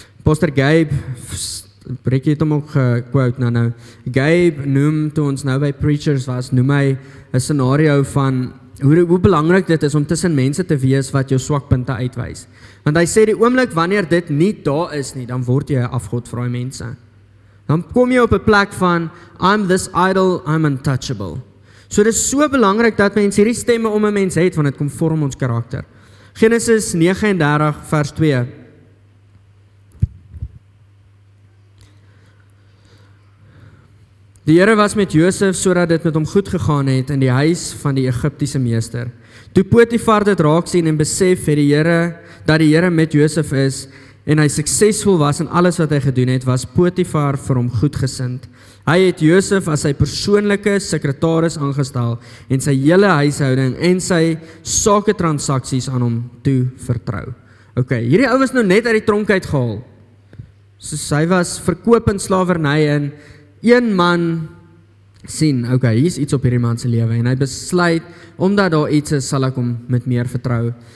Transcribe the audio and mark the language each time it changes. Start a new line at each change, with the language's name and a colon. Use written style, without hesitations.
Afrikaans: Pastor Gabe, Rekkie het hom ook gequote nou, Gabe noem, toe ons nou by preachers was, noem hy een scenario van, Hoe belangrik dit is om tussen mense te wees wat jou swakpunte uitwys. Want hy sê die oomblik wanneer dit nie daar is nie, dan word jy afgodvrye mense. Dan kom jy op 'n plek van,
English: I'm this idol, I'm untouchable.
Afrikaans: So dit is so belangrik dat mense hierdie stemme om 'n mens het, want dit kom vorm ons karakter. Genesis 39 vers 2. Die Here was met Josef, sodat dit met hom goed gegaan het in die huis van die Egiptiese meester. Toe Potifar dit raak sien en besef het die Here, dat die Here met Josef is en hy suksesvol was in alles wat hy gedoen het, was Potifar vir hom goedgesind. Hy het Josef as sy persoonlike sekretaris aangestel en sy hele huishouding en sy saketransaksies aan hom toe vertrou. Ok, hierdie ou was nou net uit die tronk uit gehaal. So hy was verkoop in slavernij en een man sien, ok, hier is iets op hierdie man se lewe, en hy besluit, omdat daar iets is, sal ek hom met meer vertrou.